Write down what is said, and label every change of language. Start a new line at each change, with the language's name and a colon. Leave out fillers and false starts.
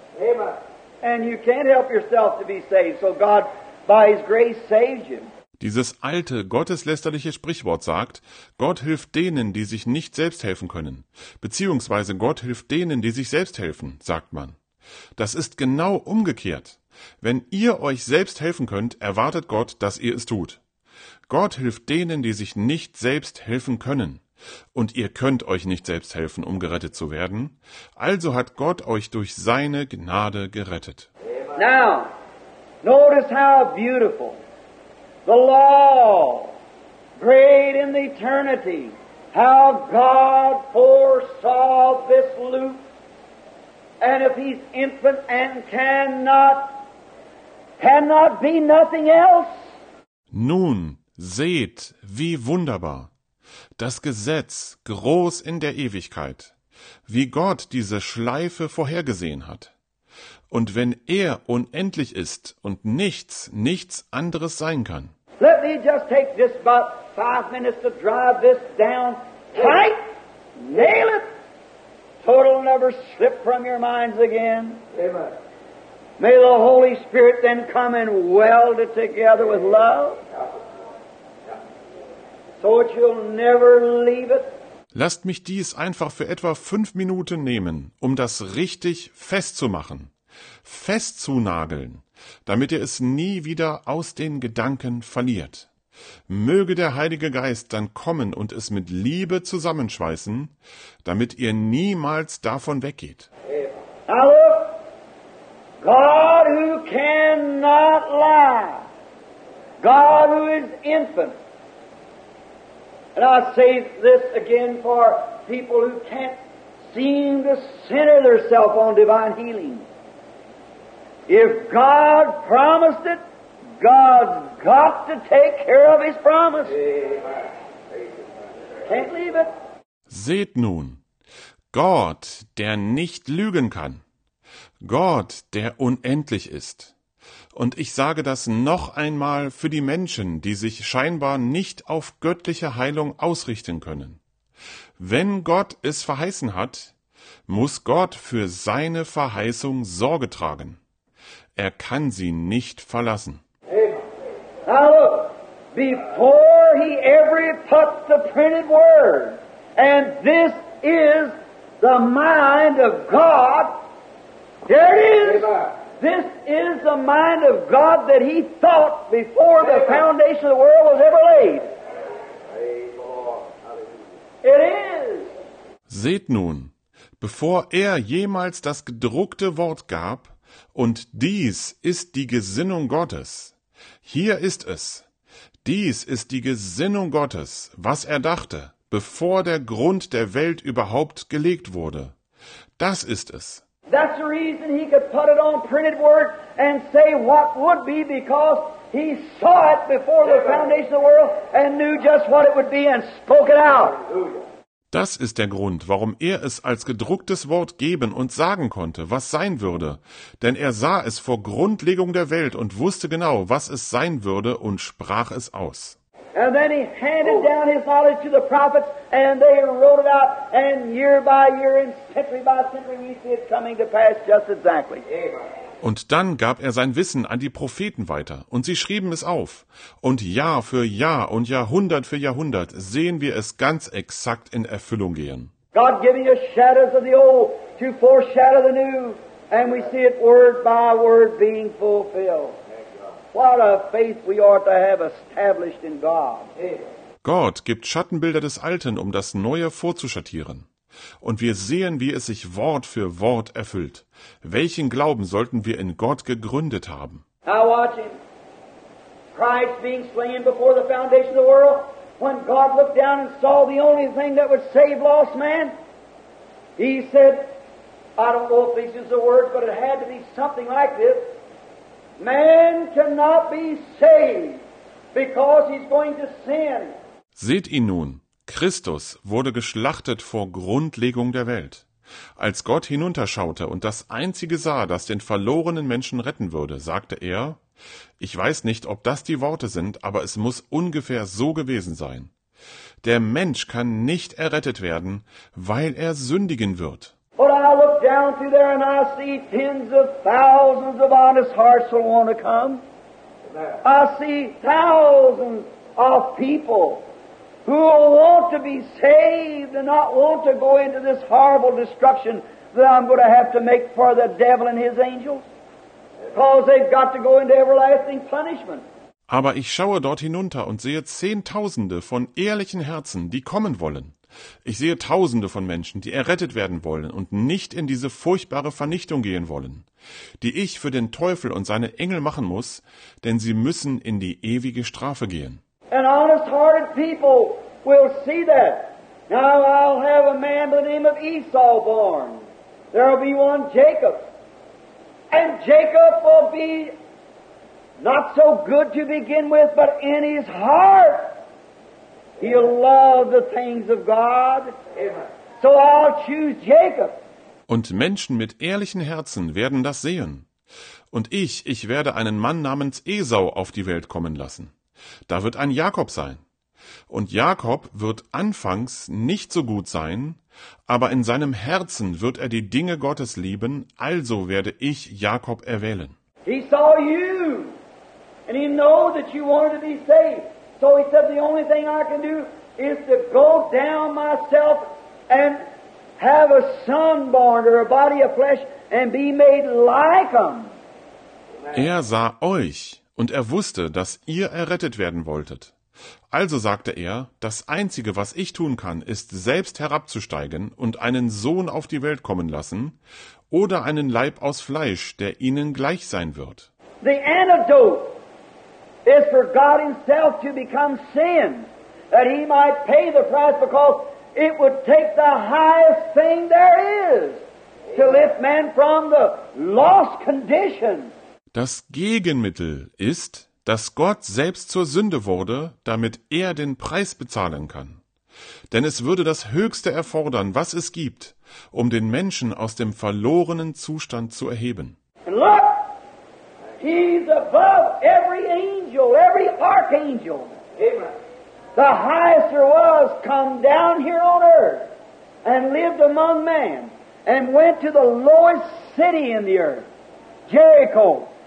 English: Amen. And you can't help yourself to be saved. So God, by His grace, saves you.
German: Dieses alte, gotteslästerliche Sprichwort sagt, Gott hilft denen, die sich nicht selbst helfen können. Beziehungsweise Gott hilft denen, die sich selbst helfen, sagt man. Das ist genau umgekehrt. Wenn ihr euch selbst helfen könnt, erwartet Gott, dass ihr es tut. Gott hilft denen, die sich nicht selbst helfen können. Und ihr könnt euch nicht selbst helfen, um gerettet zu werden. Also hat Gott euch durch seine Gnade gerettet.
English: Now, notice how beautiful the law, great in the eternity, how God foresaw this loop. And if he's infant and cannot be nothing else.
German: Nun, seht, wie wunderbar. Das Gesetz, groß in der Ewigkeit, wie Gott diese Schleife vorhergesehen hat. Und wenn er unendlich ist und nichts anderes sein kann.
English: Let me just take just about 5 minutes to drive this down tight. Nail it. Total never slip from your minds again. Amen. May the Holy Spirit then come and weld it together with love. So that you'll never leave it.
German: Lasst mich dies einfach für etwa 5 Minuten nehmen, um das richtig festzumachen, festzunageln, damit ihr es nie wieder aus den Gedanken verliert. Möge der Heilige Geist dann kommen und es mit Liebe zusammenschweißen, damit ihr niemals davon weggeht.
English: Now look, God who cannot lie, God who is infant. And I say this again for people who can't seem to center themselves on divine healing. If God promised it, God's got to take care of his promise. Can't leave it.
German: Seht nun, Gott, der nicht lügen kann, Gott, der unendlich ist. Und ich sage das noch einmal für die Menschen, die sich scheinbar nicht auf göttliche Heilung ausrichten können. Wenn Gott es verheißen hat, muss Gott für seine Verheißung Sorge tragen. Er kann sie nicht verlassen.
English: Now look, before he ever put the printed word, and this is the mind of God, there it is. This is the mind of God that he thought before the foundation of the world was ever laid. It is.
German: Seht nun, bevor er jemals das gedruckte Wort gab, und dies ist die Gesinnung Gottes. Hier ist es. Dies ist die Gesinnung Gottes, was er dachte, bevor der Grund der Welt überhaupt gelegt wurde. Das ist es.
English: That's the reason he could put it on printed word and say what would be, because he saw it before the foundation of the world and knew just what it would be and spoke it out.
German: Das ist der Grund, warum er es als gedrucktes Wort geben und sagen konnte, was sein würde. Denn er sah es vor Grundlegung der Welt und wusste genau, was es sein würde und sprach es aus.
English: And then he handed down his knowledge to the prophets, and they wrote it out, and year by year and century by century he see it coming to pass just exactly.
German: Und dann gab er sein Wissen an die Propheten weiter, und sie schrieben es auf. Und Jahr für Jahr und Jahrhundert für Jahrhundert sehen wir es ganz exakt in Erfüllung gehen.
English: God giving us shadows of the old to foreshadow the new, and we see it word by word being fulfilled. What a faith we ought to have established in God.
German: Gott gibt Schattenbilder des Alten, um das Neue vorzuschattieren. Und wir sehen, wie es sich Wort für Wort erfüllt. Welchen Glauben sollten wir in Gott gegründet haben?
English: Now watch him. Christ being slain before the foundation of the world, when God looked down and saw the only thing that would save lost man, he said, I don't know if these are the words, but it had to be something like this. Man cannot be saved because he's going to sin.
German: Seht ihn nun. Christus wurde geschlachtet vor Grundlegung der Welt. Als Gott hinunterschaute und das Einzige sah, das den verlorenen Menschen retten würde, sagte er, ich weiß nicht, ob das die Worte sind, aber es muss ungefähr so gewesen sein. Der Mensch kann nicht errettet werden, weil er sündigen wird.
English: But I look down through there and I see tens of thousands of honest hearts who want to come. I see thousands of people who want to be saved and not want to go into this horrible destruction that I'm going to have to make for the devil and his angels. Because they've got to go into everlasting punishment.
German: Aber ich schaue dort hinunter und sehe Zehntausende von ehrlichen Herzen, die kommen wollen. Ich sehe Tausende von Menschen, die errettet werden wollen und nicht in diese furchtbare Vernichtung gehen wollen, die ich für den Teufel und seine Engel machen muss, denn sie müssen in die ewige Strafe gehen.
English: And honest-hearted people will see that. Now I'll have a man by the name of Esau born. There will be one Jacob. And Jacob will be not so good to begin with, but in his heart he'll love the things of God. So I'll choose Jacob.
German: Und Menschen mit ehrlichen Herzen werden das sehen. Und ich werde einen Mann namens Esau auf die Welt kommen lassen. Da wird ein Jakob sein. Und Jakob wird anfangs nicht so gut sein, aber in seinem Herzen wird er die Dinge Gottes lieben, also werde ich Jakob erwählen.
English: He saw you, and he knew that you wanted to be saved. So he said, the only thing I can do is to go down myself and have a son born or a body of flesh and be made like him.
German: Er sah euch. Und er wusste, dass ihr errettet werden wolltet. Also sagte er, das Einzige, was ich tun kann, ist selbst herabzusteigen und einen Sohn auf die Welt kommen lassen oder einen Leib aus Fleisch, der ihnen gleich sein wird.
English: The antidote is for God himself to become sin, that he might pay the price, because it would take the highest thing there is to lift man from the lost condition.
German: Das Gegenmittel ist, dass Gott selbst zur Sünde wurde, damit er den Preis bezahlen kann. Denn es würde das Höchste erfordern, was es gibt, um den Menschen aus dem verlorenen Zustand zu erheben.
English: And look, he's above every angel, every archangel. Amen. The highest there was come down here on earth and lived among men and went to the lowest city in the earth, Jericho.